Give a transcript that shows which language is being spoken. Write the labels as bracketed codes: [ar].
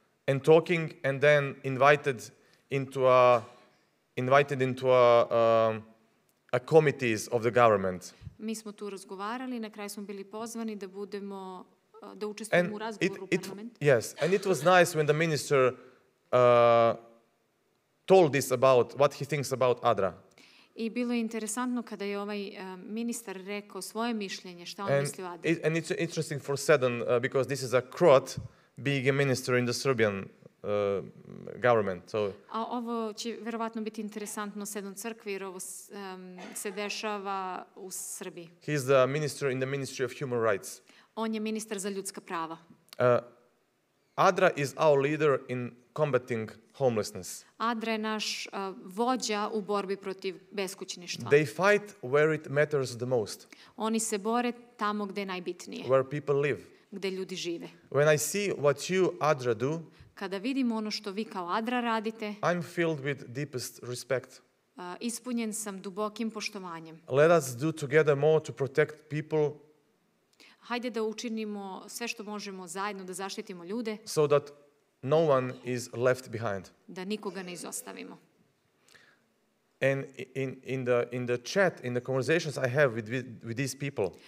[en] And talking and then invited into a a committees of the government. [sr] Mi smo tu razgovarali, na kraju smo bili pozvani da budemo da učestvujemo u razgovoru u parlamentu. [en] Yes, and it was nice when the minister told this about what he thinks about Adra. [sr] I bilo je interesantno kada je ovaj ministar rekao svoje mišljenje šta on [en] and [sr] misli o Adri. [en] It, and it's interesting for Sedan because this is a Croat being a minister in the Serbian government. So [sr] a ovo će vjerovatno biti interesantno Sedan crkvi jer ovo se dešava u Srbiji. [en] He is the minister in the Ministry of Human Rights. [sr] On je ministar za ljudska prava. [en] Adra is our leader in combating homelessness. [sr] Adra je naš vođa u borbi protiv beskućništva. [en] They fight where it matters the most. [sr] Oni se bore tamo gdje je najbitnije. [en] Where people live. [sr] Gdje ljudi žive. [en] When I see what you Adra do, [sr] kada vidim ono što vi kao Adra radite, [en] I'm filled with deepest respect. [sr] Ispunjen sam dubokim poštovanjem. [en] Let us do together more to protect people. [sr] Hajde da učinimo sve što možemo zajedno da zaštitimo ljude. [en] So that no one is left behind. [sr] Da nikoga ne izostavimo. [en] And in the chat, in the conversations I have with these people.